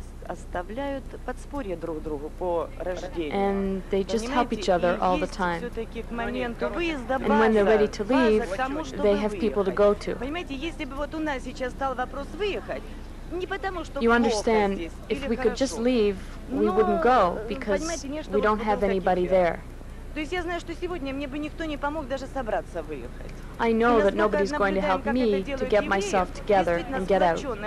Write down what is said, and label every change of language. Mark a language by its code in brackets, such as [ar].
[ru] оставляют подспорье друг другу по рождению. [en] And they just help each other all the time. And when they're ready to leave, they have people to go to. [ru] Понимаете, если бы вот у нас сейчас стал вопрос выехать. [en] You understand, if we could just leave, we wouldn't go because we don't have anybody there. I know that nobody's going to help me to get myself together and get out.